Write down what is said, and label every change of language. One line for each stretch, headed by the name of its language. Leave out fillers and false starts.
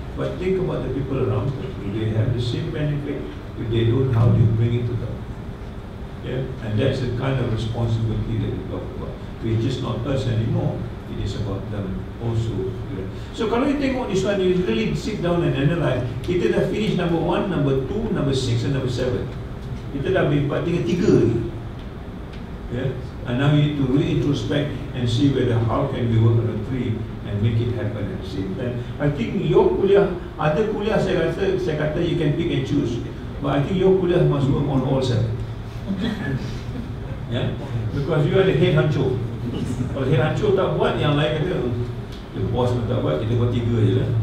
English: But think about the people around us. Do they have the same benefit? If they don't, how do you bring it to them? Yeah? And that's the kind of responsibility that we talk about. We're just not us anymore. It is about them also. So, kalau you tengok this one, you really sit down and analyze.
Malay: Kita dah
English: finish number 1, number 2, number 6 and number 7.
Malay: Kita dah berimpat tinggal 3 ni.
English: Yeah? And now you need to re-introspect and see whether how can we work on the 3 and make it happen at the same time. I think your kuliah, other kuliah
Malay: saya kata
English: you can pick and choose. But I think your kuliah must work on all 7. Yeah? Because you are the head honcho.
Malay: Kalau head honcho tak buat, yang lain kata, the boss pun tak buat, kita buat 3 je lah.